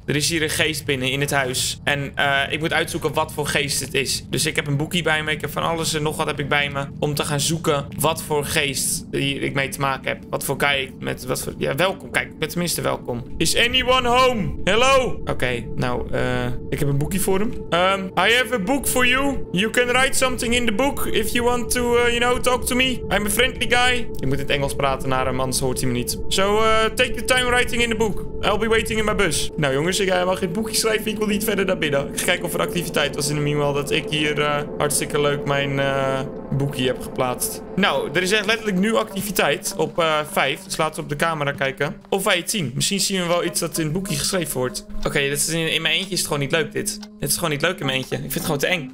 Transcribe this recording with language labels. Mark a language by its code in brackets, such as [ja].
[nl] Er is hier een geest binnen in het huis. En ik moet uitzoeken wat voor geest het is. Dus ik heb een boekje bij me. Ik heb van alles en nog wat heb ik bij me. Om te gaan zoeken wat voor geest ik mee te maken heb. Wat voor kijk met... Wat voor, ja, welkom. Kijk, ik ben tenminste welkom. [en] Is anyone home? Hello? [nl] Oké, nou, ik heb een boekje voor hem. [en] I have a book for you. You can write something in the book if you want to, you know, talk to me. I'm a friendly guy. [nl] Ik moet in het Engels praten naar hem, anders hoort hij me niet. [en] So, take the time writing in the book. I'll be waiting in my bus. [nl] Nou jongens, ik ga helemaal geen boekje schrijven. Ik wil niet verder naar binnen. Ik ga kijken of er activiteit was in de meanwhile dat ik hier hartstikke leuk mijn boekje heb geplaatst. Nou, er is echt letterlijk nu activiteit op 5. Dus laten we op de camera kijken. Of wij het zien. Misschien zien we wel iets dat in het boekje geschreven wordt. Oké, dit is in mijn eentje is het gewoon niet leuk dit. Dit is gewoon niet leuk in mijn eentje. Ik vind het gewoon te eng.